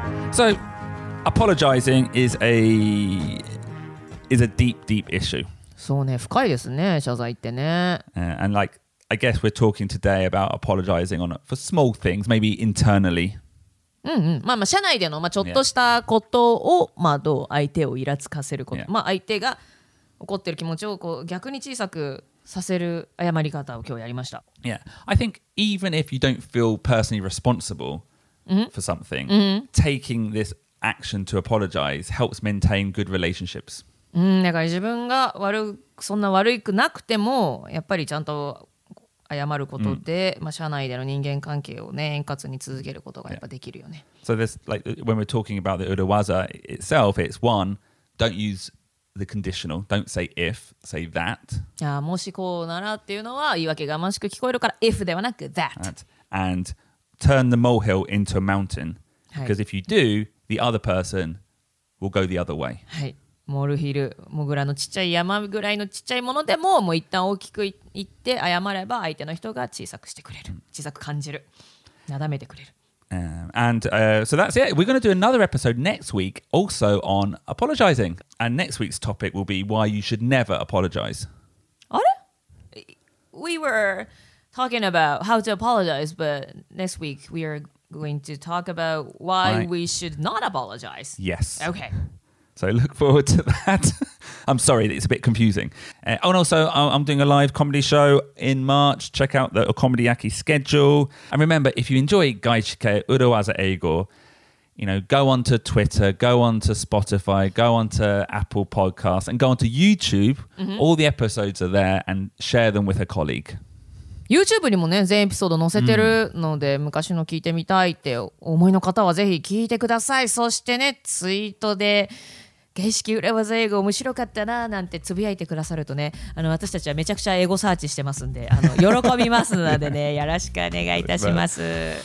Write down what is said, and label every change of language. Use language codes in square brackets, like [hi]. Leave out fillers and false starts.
[en] So, apologizing is a deep, deep issue. [ja] そうね、深いですね、謝罪ってね。 [en] And like, I guess we're talking today about apologizing for small things, maybe internally. [ja] うんうん、まあまあ社内での、まあ、ちょっとしたことを、yeah. まあどう相手をイラつかせること、yeah. まあ相手が怒ってる気持ちをこう逆に小さくさせる謝り方を今日やりました。 [en] Yeah, I think even if you don't feel personally responsible for something, taking this action to apologize helps maintain good relationships. [ja] だから自分が悪そんな悪くなくてもやっぱりちゃんと謝ることで、まあ、社内での人間関係を、ね、円滑に続けることがやっぱできるよね。 [en] Yeah. So this, like, when we're talking about the urawaza itself, it's one, don't use the conditional, don't say if, say that. [ja] Yeah, もしこうならっていうのは言い訳がましく聞こえるから if ではなく that. [en] And turn the molehill into a mountain, because if you do, the other person will go the other way. [ja] はい。モルヒル、モグラのちっちゃい山ぐらいのちっちゃいものでも、もう一旦大きく言って謝れば相手の人が小さくしてくれる。小さく感じる。なだめてくれる。 [en] So that's it. We're going to do another episode next week also on apologizing. And next week's topic will be why you should never apologize. [ja] あれ? [en] We were talking about how to apologize, but next week we are going to talk about why we should not apologize. Yes. Okay. So look forward to that. I'm sorry, it's a bit confusing. And also, I'm doing a live comedy show in March. Check out the Comedy Aki schedule. And remember, if you enjoy Gaishike Urawaza Eigo, you know, go on to Twitter, go on to Spotify, go on to Apple Podcasts, and go on to YouTube. Mm-hmm. All the episodes are there, and share them with a colleague. [ja] YouTube にもね全エピソード載せてるので、うん、昔の聞いてみたいって思いの方はぜひ聞いてください。そしてねツイートで景色裏技英語面白かったななんてつぶやいてくださるとね、あの私たちはめちゃくちゃ英語サーチしてますんで、あの喜びますのでねよろしくお願いいたします。